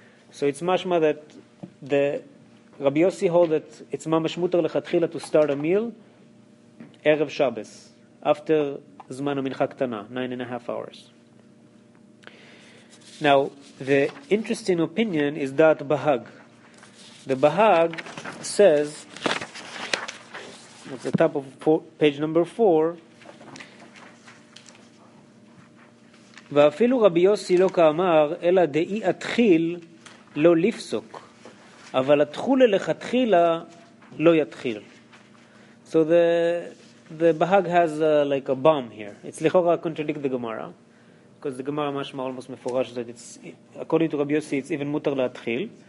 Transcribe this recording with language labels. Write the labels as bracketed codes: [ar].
[en] So it's mashma that the Rabbi Yossi hold that it's [he] mamash mutar lechatchila [en] to start a meal erev Shabbos after Zman HaMincha Ktana, 9.5 hours. Now, the interesting opinion is that Bahag. The Bahag says, at the top of page number 4, [he] ואפילו רבי יוסי לא כאמר, אלא דאי אתחיל לא לפסוק. אבל התחולה לכתחילה לא יתחיל. [en] So the Bahag has like a bomb here. It's לכאורה contradict the Gemara, because the Gemara משמע almost מפורש that it's, according to Rabbi Yossi, it's even [he] מותר להתחיל.